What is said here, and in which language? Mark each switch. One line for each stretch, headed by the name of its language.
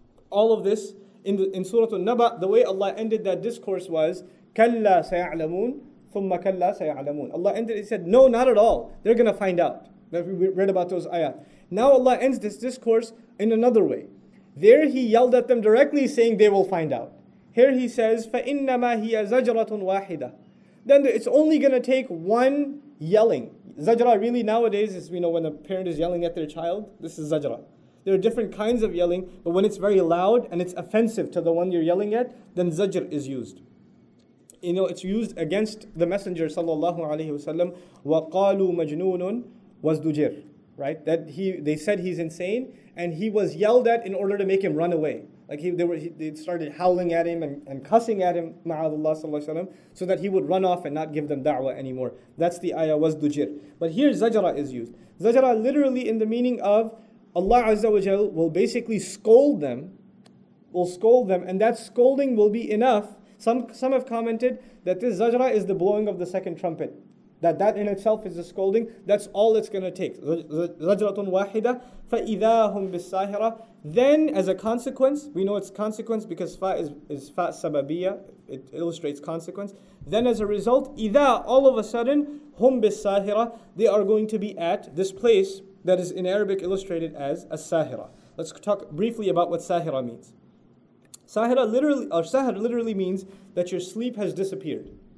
English: All of this in Surah An-Naba, the way Allah ended that discourse was
Arabic: كَلَّا سَيَعْلَمُونَ ثُمَّ كَلَّا سَيَعْلَمُونَ.
English: Allah ended it, He said, no, not at all. They're going to find out. That we read about those ayat. Now Allah ends this discourse in another way. There He yelled at them directly saying they will find out. Here He says,
Arabic: فَإِنَّمَا هِيَ زَجْرَةٌ وَاحِدَةٌ.
English: Then it's only going to take one yelling. Zajra really nowadays is, you know, when a parent is yelling at their child, this is zajra. There are different kinds of yelling, but when it's very loud and it's offensive to the one you're yelling at, then zajr is used. You know, it's used against the messenger sallallahu alayhi wa sallam,
Arabic: وَقَالُوا مَجْنُونٌ وَزْدُجِرْ.
English: Right, that they said he's insane, and he was yelled at in order to make him run away. Like they started howling at him and cussing at him, ma'adullah sallallahu alayhi wa sallam, so that he would run off and not give them da'wah anymore. That's the ayah, wasdujir. But here zajra is used. Zajra literally in the meaning of Allah Azza wa Jal will basically scold them, and that scolding will be enough. Some have commented that this zajra is the blowing of the second trumpet. That in itself is a scolding. That's all it's going to take.
Arabic: Zajratun wahida, فَإِذَا هُمْ بِالسَّاهِرَةِ.
English: Then, as a consequence, we know it's consequence because fa is fa sababiyya. It illustrates consequence. Then, as a result, إِذَا, all of a sudden,
Arabic: هُمْ بِالسَّاهِرَةِ,
English: they are going to be at this place that is in Arabic illustrated as السَّاهِرَة. Let's talk briefly about what سَاهِرَة means. سَاهِرَة literally, or سَاهِر literally means that your sleep has disappeared.